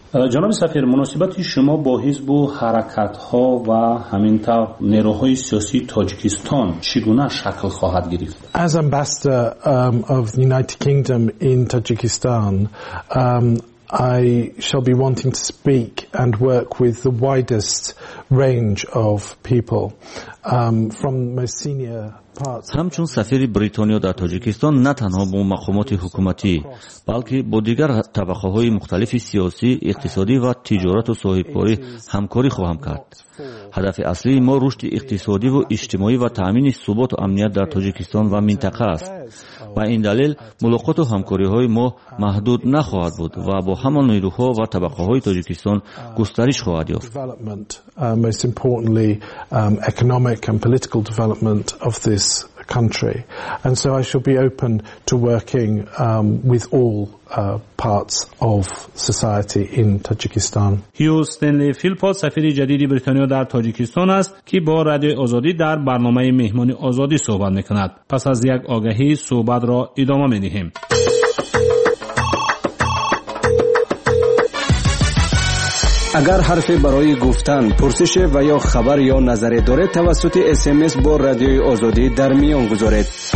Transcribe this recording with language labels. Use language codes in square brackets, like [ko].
[fa] جناب سفیر، مناسبت شما با حزب و حرکت ها و همین طور نیروهای سیاسی تاجیکستان چگونه شکل خواهد گرفت؟ [en] As ambassador of the United Kingdom in Tajikistan, I shall be wanting to speak and work with the widest range of people from my senior parts. [fa] همچون سفیر بریتانیا در تاجیکستان نه تنها با مقامات حکومتی بلکه با دیگر طبقه های مختلف سیاسی، اقتصادی و تجارت و صاحبکاری همکاری خواهم کرد. هدف اصلی ما رشد اقتصادی و اجتماعی و تأمین ثبات و امنیت در تاجیکستان و منطقه است. با این دلیل ملاقات و همکاری های ما محدود نخواهد بود و با همه نیروها و طبقه های تاجیکستان گسترش خواهد یافت. [en] Most importantly, economic and political development of this country. And so I shall be open to working with all parts of society in Tajikistan. [fa] هیو استنلی فیلپوت سفیر جدید بریتانیا در تاجیکستان است که با رادیو آزادی در برنامه مهمانی آزادی صحبت میکند. پس از یک آگهی صحبت را ادامه میدهیم. اگر حرفی برای گفتن، پرسش و یا خبر یا نظری دارید، توسط SMS با رادیوی آزادی در میان گذارید.